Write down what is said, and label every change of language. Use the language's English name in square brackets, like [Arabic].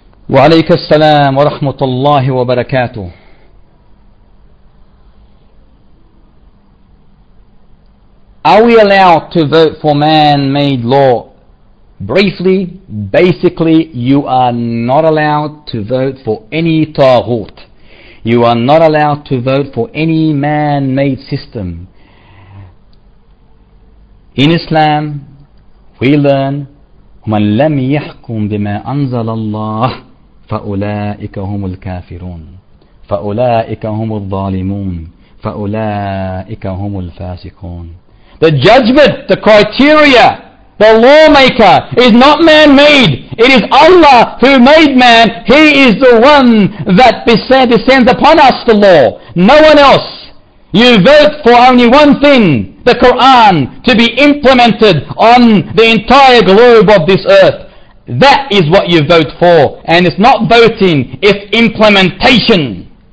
[Arabic] وعليك السلام ورحمة الله وبركاته. [English] Are we allowed to vote for man-made law? Briefly, basically, you are not allowed to vote for any taghut. You are not allowed to vote for any man-made system. In Islam, we learn, [Arabic] مَنْ لَمْ يَحْكُمْ بِمَا أَنْزَلَ اللَّهِ فَأُولَٰئِكَ هُمُ الْكَافِرُونَ فَأُولَٰئِكَ هُمُ الظَّالِمُونَ فَأُولَٰئِكَ هُمُ الْفَاسِقُونَ [English] The judgment, the criteria, the lawmaker is not man-made. It is Allah who made man. He is the one that descends upon us the law. No one else. You vote for only one thing, the Quran, to be implemented on the entire globe of this earth. That is what you vote for. And it's not voting, it's implementation.